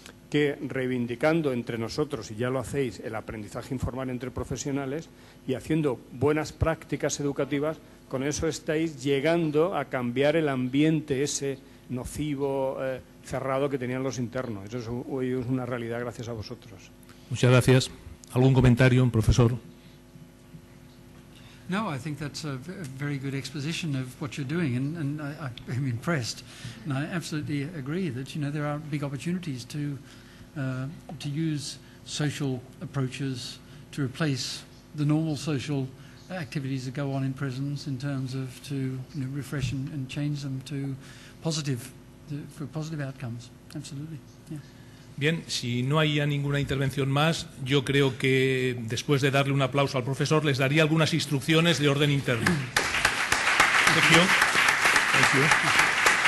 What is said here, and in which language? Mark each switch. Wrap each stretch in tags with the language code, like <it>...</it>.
<es>Que reivindicando entre nosotros, y ya lo hacéis, el aprendizaje informal entre profesionales y haciendo buenas prácticas educativas, con eso estáis llegando a cambiar el ambiente ese nocivo, cerrado que tenían los internos. Eso es una realidad gracias a vosotros. Muchas gracias. ¿Algún comentario, profesor?</es> <en>No, I think that's a very good exposition of what you're doing, and I am impressed. And I absolutely agree that, you know, there are big opportunities to use social approaches to replace the normal social activities that go on in prisons in terms of to, you know, refresh and change them to positive, for positive outcomes. Absolutely. Yeah.</en> <es>Bien, si no hay ya ninguna intervención más, yo creo que después de darle un aplauso al profesor, les daría algunas instrucciones de orden interno.</es> <en>Thank you. Thank you. Thank you.</en>